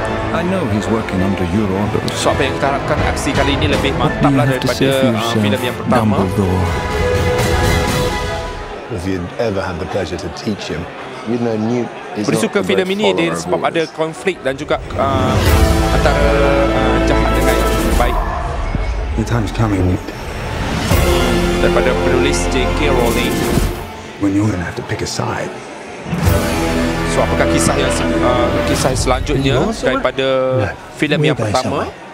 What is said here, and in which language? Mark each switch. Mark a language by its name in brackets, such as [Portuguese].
[English] I know he's working under your orders. [Malay] So apa yang kita harapkan, aksi kali ini lebih mantap lah daripada filem yang pertama. [English] Dumbledore. If you'd ever had the pleasure to teach him, you'd know Newt is not. [Malay] Suka filem ini dia sebab ada konflik dan juga antara jahat dengan yang baik. [English] The time's coming, Newt. [Malay] Daripada penulis J.K. Rowling. [English] When you're gonna have to pick a side. [Malay] So apakah kisah yang kisah selanjutnya daripada filem yang pertama?